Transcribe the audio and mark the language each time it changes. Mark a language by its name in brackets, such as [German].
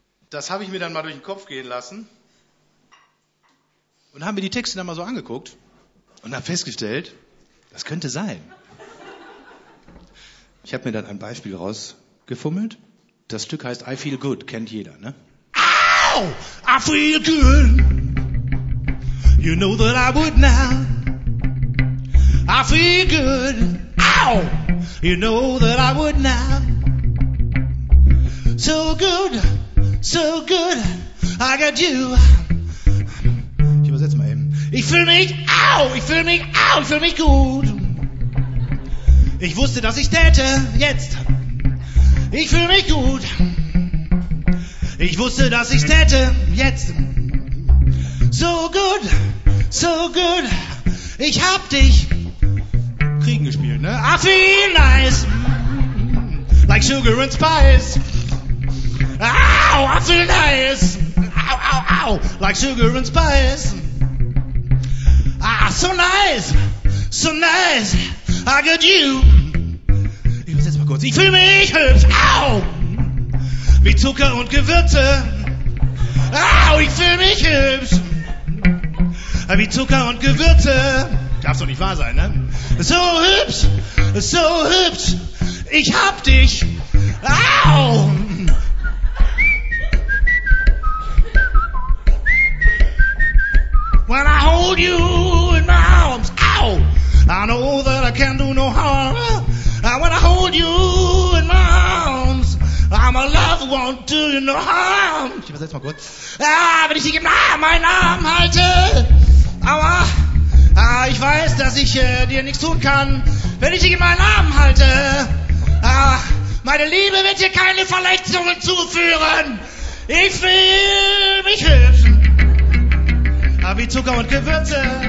[German] Das habe ich mir dann mal durch den Kopf gehen lassen und haben mir die Texte dann mal so angeguckt und habe festgestellt, das könnte sein. Ich habe mir dann ein Beispiel rausgefummelt. Das Stück heißt I Feel Good, kennt jeder, ne? [English] Ow! I feel good. You know that I would now. I feel good. Ow! You know that I would now. So good, so good, I got you. [German] Ich übersetze mal eben. Ich fühle mich, au, ich fühle mich, au, ich fühle mich gut. Ich wusste, dass ich täte, jetzt. Ich fühle mich gut. Ich wusste, dass ich täte, jetzt. [English] So good, so good, [German] ich hab dich. Kriegen gespielt, ne? [English] I feel nice, like sugar and spice. Ow, I feel nice. Ow, ow, ow, like sugar and spice. Ah, so nice, so nice. I got you. [German] Ich muss jetzt mal kurz. Ich fühle mich hübsch. Ow, wie Zucker und Gewürze. Ow, ich fühle mich hübsch. Wie Zucker und Gewürze. Darf's doch nicht wahr sein, ne? So hübsch, so hübsch. Ich hab dich. Ow. [English] When I hold you in my arms, ow, I know that I can't do no harm. And when I hold you in my arms, I'm a love won't do you no harm. [German] Ich übersetze mal kurz. Ah, wenn ich dich in meinen Arm halte, aua, ah, ich weiß, dass ich dir nichts tun kann. Wenn ich dich in meinen Arm halte, ah, meine Liebe wird dir keine Verletzungen zuführen. Ich fühl mich hübsch. Wie Zucker und Gewürze.